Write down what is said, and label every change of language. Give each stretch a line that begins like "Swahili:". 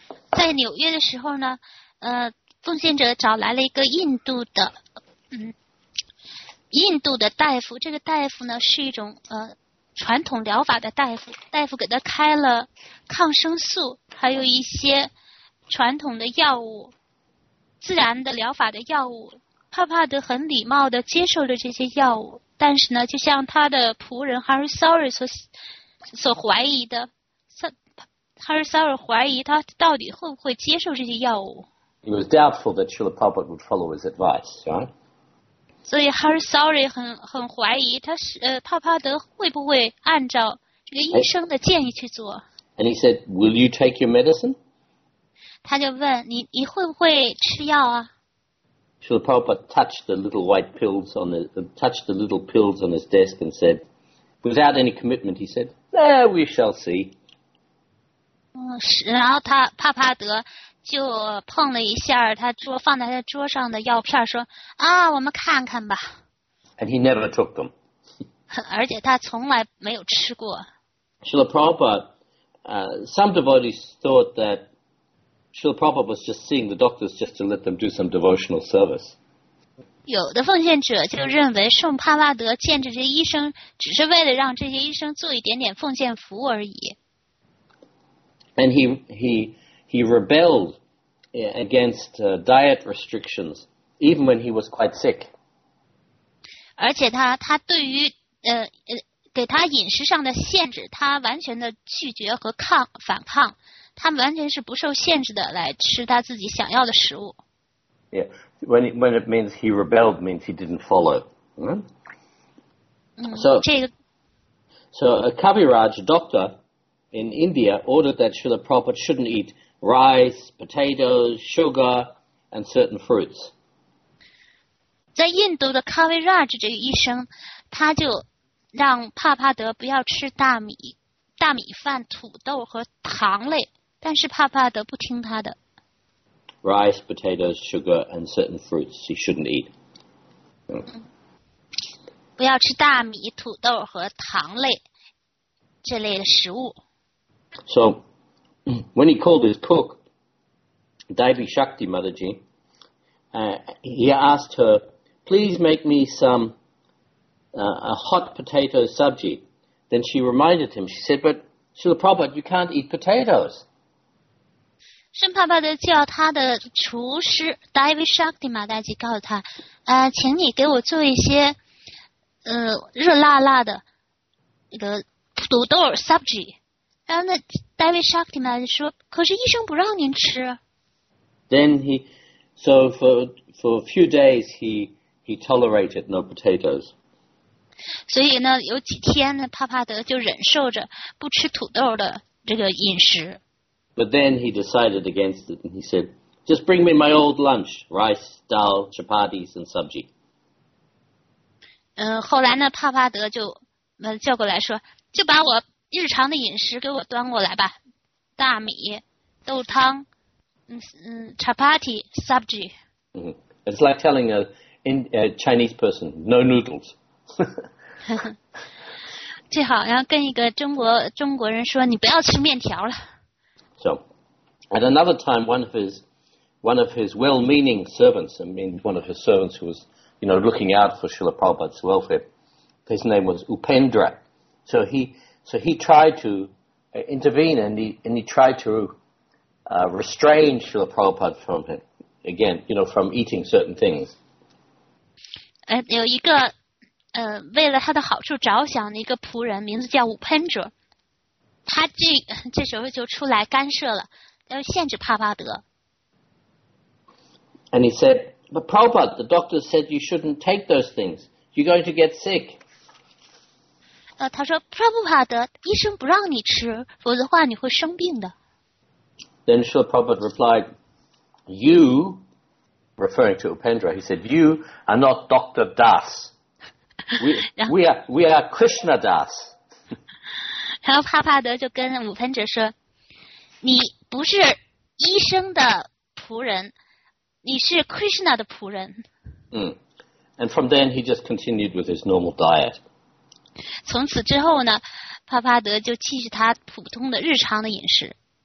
Chinese: 在纽约的时候呢，奉献者找来了一个印度的大夫。这个大夫呢是一种传统疗法的大夫。大夫给他开了抗生素，还有一些传统的药物，自然的疗法的药物。帕帕德很礼貌的接受了这些药物，但是呢，就像他的仆人 Hari Suri 所怀疑的。 Hari Suri 怀疑他到底会不会接受这些药物。
English: He was doubtful that Srila Prabhupada would follow his advice, right?
Chinese: 所以 Hari Suri 很怀疑他是帕帕德会不会按照这个医生的建议去做。
English: And he said, will you take your medicine?
Chinese: 他就问你会不会吃药啊？
English: Srila Prabhupada touched the little white pills on his desk and said, without any commitment, he said, we shall see.
Chinese: 然后他帕帕德就碰了一下放在他桌上的药片说我们看看吧。
English: And he never took them.
Chinese: 而且他从来没有吃过。
English: Srila Prabhupada, some devotees thought that Srila Prabhupada was just seeing the doctors just to let them do some devotional service.
Chinese: 有的奉献者就认为圣帕帕德见着这些医生只是为了让这些医生做一点点奉献服务而已。
English: And he rebelled against diet restrictions, even when he was quite sick.
Chinese: 而且他对于给他饮食上的限制，他完全的拒绝和反抗，他完全是不受限制的来吃他自己想要的食物。
English: Yeah, when it means he rebelled means he didn't follow. So a Kaviraj, a doctor. In India, ordered that Srila Prabhupada shouldn't eat rice, potatoes, sugar, and certain fruits.
Chinese: 在印度的 Kaviraj 这个医生，他就让帕帕德不要吃大米饭、土豆和糖类，但是帕帕德不听他的。
English: Rice, potatoes, sugar, and certain fruits he shouldn't eat.
Chinese: 不要吃大米、土豆和糖类这类的食物。
English: So, when he called his cook, Devi Shakti Mataji, he asked her, please make me some a hot potato sabji. Then she reminded him, she said, but Srila Prabhupada, you can't eat potatoes.
Chinese: Srila Prabhupada 叫他的厨师 Devi Shakti Mataji 告诉他，请你给我做一些热辣辣的那个土豆 sabji。然后那 David Shaktiman 说可是医生不让您吃。
English: Then for a few days he tolerated no potatoes.
Chinese: 所以呢有几天呢帕帕德就忍受着不吃土豆的这个饮食。
English: But then he decided against it and he said, just bring me my old lunch, rice, dal, chapatis and sabji.
Chinese: 后来呢帕帕德就叫过来说就把我日常的饮食给我端过来吧，大米、豆汤、chapati, sabji.
English: It's like telling a Chinese person no noodles.
Chinese: 最好要跟一个中国人说你不要吃面条了。
English: So, at another time, one of his well-meaning servants, I mean one of his servants who was, you know, looking out for Srila Prabhupada's welfare, his name was Upendra. So he tried to intervene and he tried to restrain Srila Prabhupada from him, again, you know, from eating certain things.
Chinese: 有一个为了他的好处着想的一个仆人名字叫 Upendra, 他这时候就出来干涉了要限制帕帕德。
English: And he said, but Prabhupada, the doctor said you shouldn't take those things. You're going to get sick.
Chinese: 他说：“Prabhupada，医生不让你吃，否则的话你会生病的。”
English: Then Srila Prabhupada replied, "You, referring to Upendra, he said, you are not Dr. Das. We are Krishna Das."
Chinese: 然后帕帕德就跟武喷者说：“你不是医生的仆人，你是 Krishna 的仆人。”
English: And from then he just continued with his normal diet.
Chinese: 从此之后呢，帕帕德就继续他普通的日常的饮食。